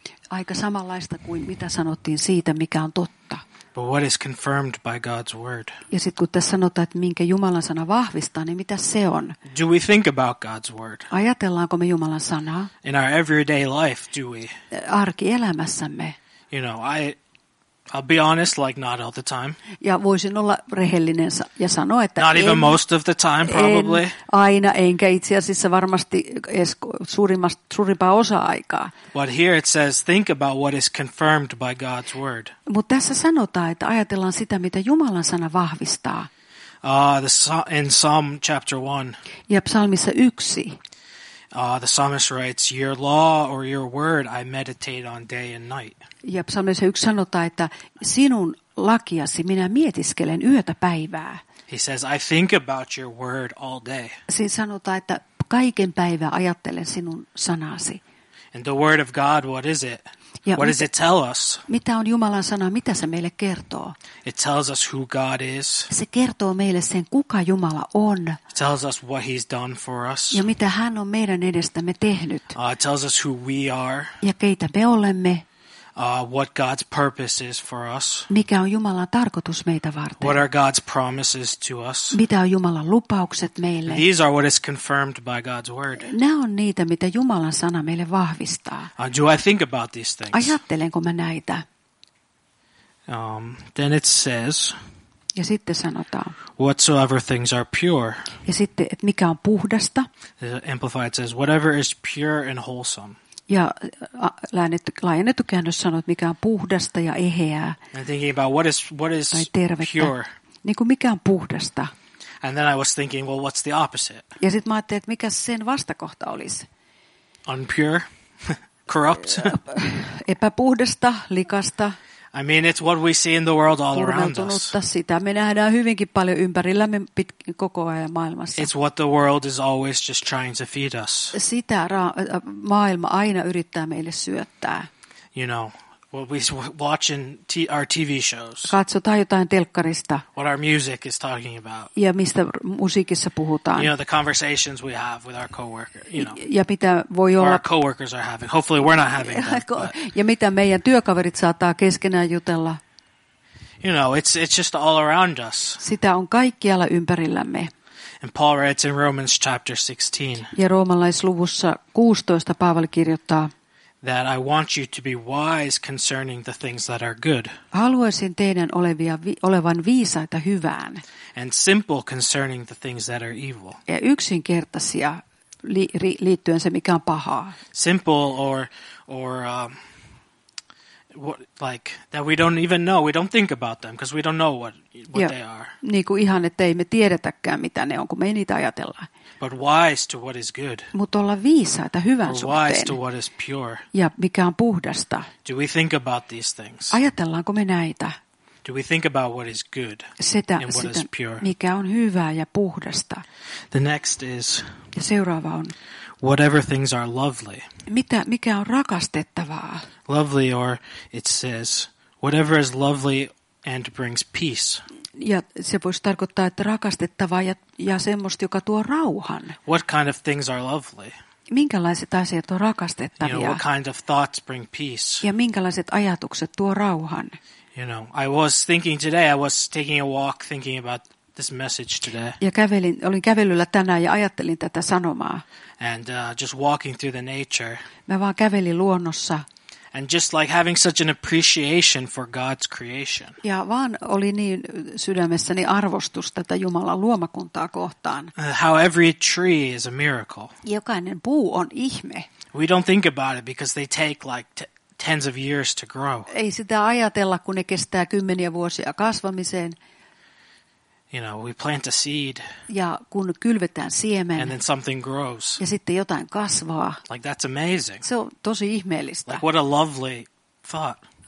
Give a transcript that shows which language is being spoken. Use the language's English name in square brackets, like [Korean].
[Finnish] Aika samanlaista kuin mitä sanottiin siitä, mikä on totta. [English] But what is confirmed by God's word? [Finnish] Ja sitten kun tässä sanotaan, että minkä Jumalan sana vahvistaa, niin mitä se on? [English] Do we think about God's word? [Finnish] Ajatellaanko me Jumalan sanaa? [English] In our everyday life, do we? [Finnish] Arkielämässämme. [English] You know, I'll be honest, like not all the time. [Finnish] Ja voisin olla rehellinen ja sanoa, että [English] not even most of the time, probably. [Finnish] Aina, enkä itse asiassa varmasti suurimpaa osa aikaa. [English] But here it says, think about what is confirmed by God's word. [Finnish] Mutta tässä sanotaan, että ajatellaan sitä, mitä Jumalan sana vahvistaa. [English] In Psalm chapter 1. [Finnish] Ja psalmissa 1. [English] The psalmist writes, "Your law or your word I meditate on day and night." [Finnish] Ja psalmissa yksi sanotaan, että sinun lakiasi minä mietiskelen yötä päivää. [English] He says, "I think about your word all day." [Finnish] Siinä sanotaan, että kaiken päivää ajattelen sinun sanasi. [English] And the word of God, what is it? What does it tell us? [Finnish] Mitä on Jumalan sana? Mitä se meille kertoo? [English] It tells us who God is. [Finnish] Se kertoo meille sen, kuka Jumala on. [English] It tells us what he's done for us. [Finnish] Ja mitä hän on meidän edestämme tehnyt. [English] It tells us who we are. [Finnish] Ja keitä me olemme. [English] What God's purpose is for us. [Finnish] Mikä on Jumalan tarkoitus meitä varten. [English] What are God's promises to us. [Finnish] Mitä on Jumalan lupaukset meille. [English] These are what is confirmed by God's word. [Finnish] Nämä on niitä, mitä Jumalan sana meille vahvistaa. [English] Do I think about these things? [Finnish] Ajattelenko mä näitä? [English] Then it says. [Finnish] Ja sitten sanotaan. [English] Whatsoever things are pure. [Finnish] Ja sitten, että mikä on puhdasta. [English] The Amplified says, whatever is pure and wholesome. [Finnish] Ja laajennettu käännös sanoo, että mikä on puhdasta ja eheää. [English] I'm thinking about what is [Finnish] tai tervettä. [English] Pure. [Finnish] Niin kuin mikä on puhdasta. [English] And then I was thinking, well, what's the opposite? [Finnish] Ja sitten mä ajattelin, että mikä sen vastakohta olisi. [English] Unpure? Corrupt? [Finnish] Epäpuhdasta, likasta. [English] I mean, it's what we see in the world all around us. [Finnish] Sitä me nähdään hyvinkin paljon ympärillämme koko ajan maailmassa. [English] It's what the world is always just trying to feed us. [Finnish] Sitä maailma aina yrittää meille syöttää. [English] You know, what we watch in our TV shows. [Finnish] Katsotaan jotain telkkarista. [English] What our music is talking about. [Finnish] Ja mistä musiikissa puhutaan. [English] You know, the conversations we have with our coworker, you know. [Finnish] Ja mitä voi olla. [English] Our coworkers are having. Hopefully we're not having that. [Finnish] Ja mitä meidän työkaverit saattaa keskenään jutella. [English] You know, it's just all around us. [Finnish] Sitä on kaikkialla ympärillämme. [English] And Paul writes in Romans chapter 16. [Finnish] Ja roomalaisluvussa 16 Paavali kirjoittaa. [English] That I want you to be wise concerning the things that are good. [Finnish] Haluaisin teidän olevan viisaita hyvään. [English] And simple concerning the things that are evil. [Finnish] Ja yksinkertaisia liittyen se mikä on pahaa. [English] Simple or like that we don't even know, we don't think about them because we don't know what they are. [Finnish] Niin kuin ihan että ei me tiedetäkään mitä ne on, kun me ei niitä ajatella. [English] But wise to what is good. [Finnish] Mutta olla viisaita hyvän suhteen. [English] Wise to what is pure. [Finnish] Ja mikä on puhdasta. [English] Do we think about these things? [Finnish] Ajatellaanko me näitä? [English] Do we think about what is good and what is pure? [Finnish] Mikä on hyvää ja puhdasta. [English] The next is. [Finnish] Ja seuraava on. [English] Whatever things are lovely. [Finnish] Mikä on rakastettavaa. [English] Lovely or it says whatever is lovely and brings peace. [Finnish] Ja se voisi tarkoittaa, että rakastettavaa ja semmoista, joka tuo rauhan. [English] What kind of things are lovely? [Finnish] Minkälaiset asiat on rakastettavia? [English] You know, what kind of thoughts bring peace? [Finnish] Ja minkälaiset ajatukset tuo rauhan? [English] You know, I was thinking today, I was taking a walk thinking about this message today. [Finnish] Ja olin kävelyllä tänään ja ajattelin tätä sanomaa. [English] And just walking through the nature. [Finnish] Mä vaan kävelin luonnossa. [English] And just like having such an appreciation for God's creation. [Finnish] Ja vaan oli niin sydämessäni arvostus tätä Jumalan luomakuntaa kohtaan. [English] How every tree is a miracle. [Finnish] Jokainen puu on ihme. [English] We don't think about it because they take like tens of years to grow. [Finnish] Ei sitä ajatella, kun ne kestää kymmeniä vuosia kasvamiseen. [English] You know, we plant a seed. [Finnish] Ja kun kylvetään siemen. [English] And then something grows. [Finnish] Ja sitten jotain kasvaa. [English] Like that's amazing. [Finnish] Se on tosi ihmeellistä. [English] Like what a lovely thought.